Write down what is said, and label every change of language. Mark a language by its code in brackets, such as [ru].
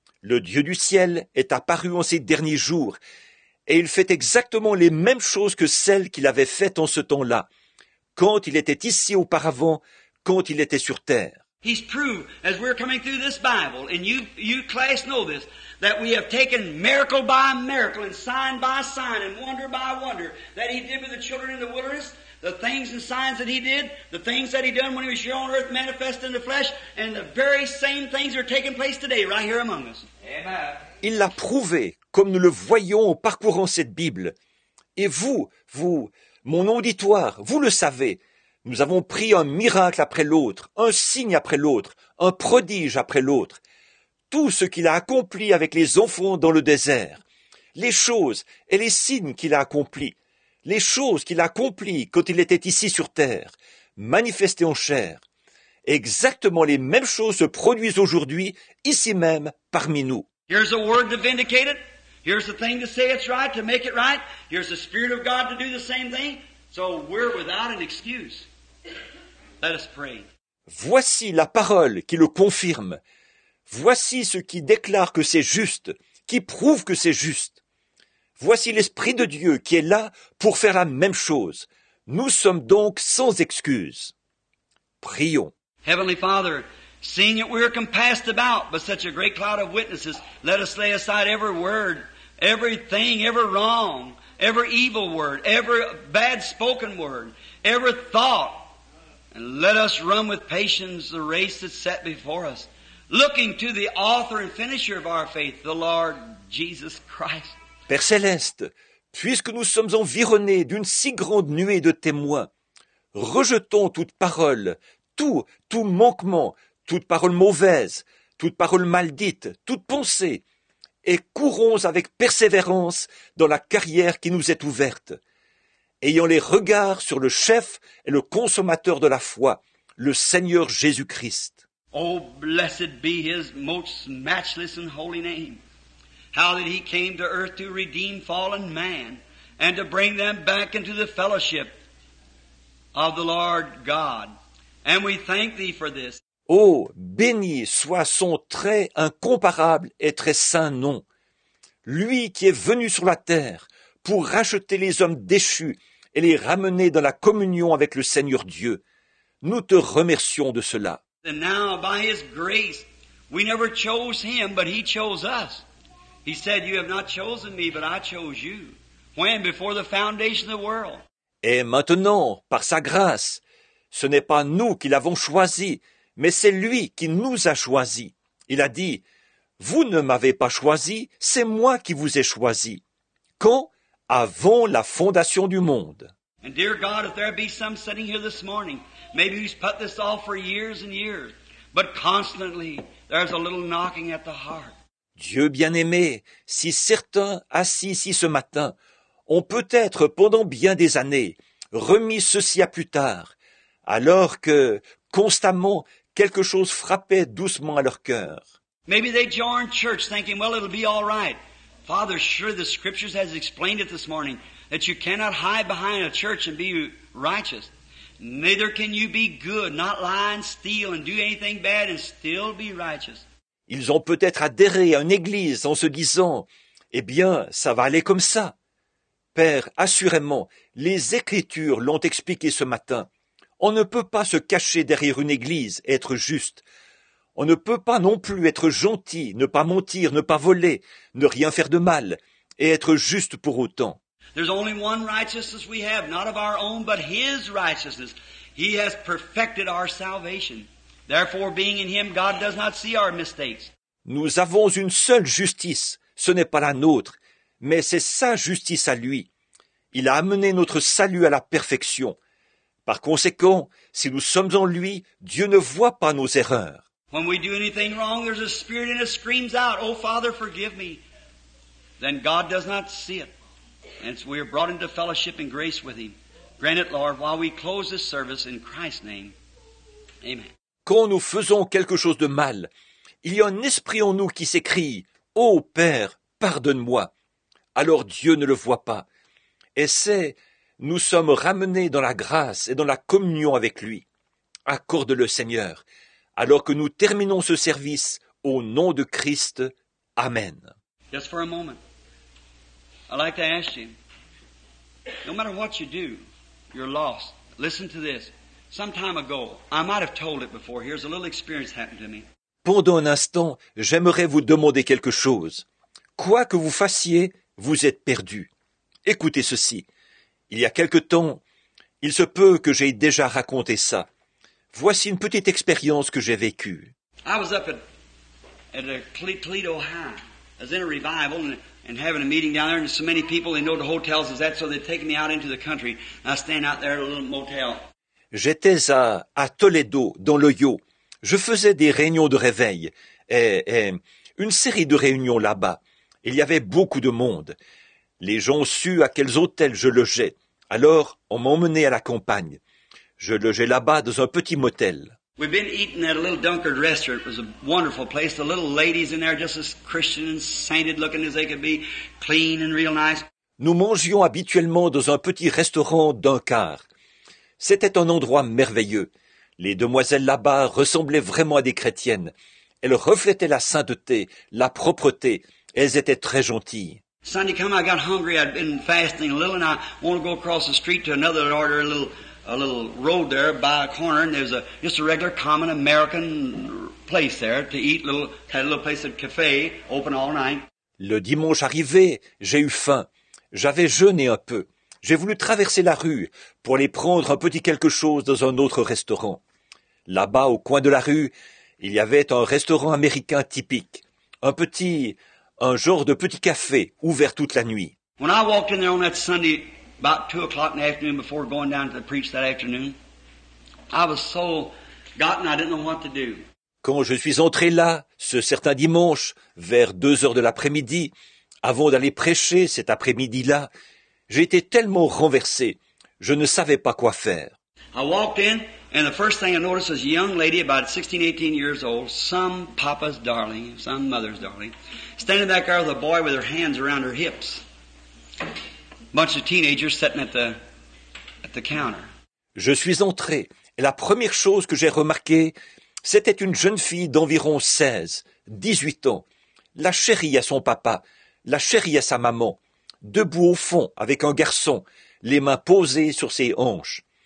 [fr] Le Dieu du ciel est apparu en ces derniers jours et il fait exactement les mêmes choses que celles qu'il avait faites en ce temps-là, quand il était ici auparavant, quand il était sur terre. [en] He's proved, as we're coming through this Bible, and you class know this, that we have taken miracle by miracle and sign by sign and wonder by wonder that he did with the children in the wilderness. The things and signs that he did, the things that he done when he was here on earth manifest in the flesh, and the very same things are taking place today right here among us. Amen. [fr] Il l'a prouvé, comme nous le voyons en parcourant cette Bible. Et vous, mon auditoire, vous le savez, nous avons pris un miracle après l'autre, un signe après l'autre, un prodige après l'autre. Tout ce qu'il a accompli avec les enfants dans le désert, les choses et les signes qu'il a accomplis, les choses qu'il accomplit quand il était ici sur terre, manifestées en chair, exactement les mêmes choses se produisent aujourd'hui, ici même, parmi nous. [en] Here's a word to vindicate it. Here's the thing to say it's right, to make it right. Here's the Spirit of God to do the same thing. So we're without an excuse. Let us pray. [fr] Voici la parole qui le confirme. Voici ce qui déclare que c'est juste, qui prouve que c'est juste. Voici l'Esprit de Dieu qui est là pour faire la même chose. Nous sommes donc sans excuse. Prions. [en] Heavenly Father, seeing that we are compassed about by such a great cloud of witnesses, let us lay aside every word, everything, every wrong, every evil word, every bad spoken word, every thought, and let us run with patience the race that's set before us, looking to the author and finisher of our faith, the Lord Jesus Christ. [fr] Père Céleste, puisque nous sommes environnés d'une si grande nuée de témoins, rejetons toute parole, tout manquement, toute parole mauvaise, toute parole maldite, toute pensée, et courons avec persévérance dans la carrière qui nous est ouverte, ayant les regards sur le chef et le consommateur de la foi, le Seigneur Jésus-Christ. [en] Oh, blessed be his most matchless and holy name. How that he came to earth to redeem fallen man and to bring them back into the fellowship of the Lord God. And we thank thee for this. [fr] Oh, béni soit son très incomparable et très saint nom. Lui qui est venu sur la terre pour racheter les hommes déchus et les ramener dans la communion avec le Seigneur Dieu. Nous te remercions de cela. [en] And now, by his grace, we never chose him, but he chose us. He said, you have not chosen me, but I chose you. When? Before the foundation of the world. [fr] Et maintenant, par sa grâce, ce n'est pas nous qui l'avons choisi, mais c'est lui qui nous a choisi. Il a dit, vous ne m'avez pas choisi, c'est moi qui vous ai choisi. Quand? Avant la fondation du monde. [en] And dear God, if there be some sitting here this morning, maybe who's put this off for years and years, but constantly there's a little knocking at the heart. [fr] Dieu bien-aimé, si certains assis ici ce matin ont peut-être pendant bien des années remis ceci à plus tard, alors que constamment quelque chose frappait doucement à leur cœur. [en] Maybe they joined church thinking, well, it'll be all right. Father, sure the scriptures has explained it this morning that you cannot hide behind a church and be righteous. Neither can you be good, not lie and steal and do anything bad and still be righteous. [fr] Ils ont peut-être adhéré à une église en se disant, eh bien, ça va aller comme ça. Père, assurément, les Écritures l'ont expliqué ce matin. On ne peut pas se cacher derrière une église et être juste. On ne peut pas non plus être gentil, ne pas mentir, ne pas voler, ne rien faire de mal et être juste pour autant. [en] There's only one righteousness we have, not of our own, but his righteousness. He has perfected our salvation. Therefore, being in him, God does not see our mistakes. [fr] Nous avons une seule justice, ce n'est pas la nôtre, mais c'est sa justice à lui. Il a amené notre salut à la perfection. Par conséquent, si nous sommes en lui, Dieu ne voit pas nos erreurs. [en] When we do anything wrong, there's a spirit in us screams out, "Oh Father, forgive me." Then God does not see it. And so we are brought into fellowship and grace with him. Grant it, Lord, while we close this service in Christ's name. Amen. [fr] Quand nous faisons quelque chose de mal, il y a un esprit en nous qui s'écrie, « Ô Père, pardonne-moi !» Alors Dieu ne le voit pas. Et c'est, nous sommes ramenés dans la grâce et dans la communion avec lui. Accorde-le, Seigneur, alors que nous terminons ce service, au nom de Christ. Amen. [en] Just for a moment, I'd like to ask you, no matter what you do, you're lost. Listen to this. Some time ago, I might have told it before. Here's a little experience happened to me. [fr] Pendant un instant, j'aimerais vous demander quelque chose. Quoi que vous fassiez, vous êtes perdu. Écoutez ceci. Il y a quelque temps, il se peut que j'aie déjà raconté ça. Voici une petite expérience que j'ai vécue. [en] I was up at a Toledo High. I was in a revival and having a meeting down there, and so many people, they know the hotels is that, so they take me out into the country. And I stand out there at a little motel. [fr] J'étais à Toledo, dans l'Ohio. Je faisais des réunions de réveil et une série de réunions là-bas. Il y avait beaucoup de monde. Les gens su à quels hôtels je logeais. Alors, on m'emmenait à la campagne. Je logeais là-bas dans un petit motel. [en] We've been eating at a little Dunkard restaurant. It was a wonderful place. The little ladies in there, just as Christian and sainted looking as they could be, clean and real nice. [fr] Nous mangions habituellement dans un petit restaurant Dunkard. C'était un endroit merveilleux. Les demoiselles là-bas ressemblaient vraiment à des chrétiennes. Elles reflétaient la sainteté, la propreté. Elles étaient très gentilles. [en] Sunday come, I got hungry. I'd been fasting a little, and I wanted to go across the street to another order, a little road there by a corner, and there's just a regular common American place there to eat. Had a little place at cafe open all night. [fr] Le dimanche arrivé, j'ai eu faim. J'avais jeûné un peu. J'ai voulu traverser la rue pour aller prendre un petit quelque chose dans un autre restaurant. Là-bas, au coin de la rue, il y avait un restaurant américain typique, un genre de petit café ouvert toute la nuit. [en] When I walked in there on that Sunday, about 2 o'clock in the afternoon, before going down to preach that afternoon, I was so gotten, I didn't know what to do. [fr] Quand je suis entré là, ce certain dimanche, vers 2 heures de l'après-midi, avant d'aller prêcher cet après-midi-là, j'ai été tellement renversé, je ne savais pas quoi faire. [en] I walked in, and the first thing I noticed was a young lady, about 16, 18 years old, some papa's darling, some mother's darling, standing back there with a boy with her hands around her hips. A bunch of teenagers sitting at the counter. [fr] Je suis entré, et la première chose que j'ai remarqué, c'était une jeune fille d'environ 16, 18 ans, la chérie à son papa, la chérie à sa maman. Debout au fond avec un garçon, les mains posées sur ses hanches.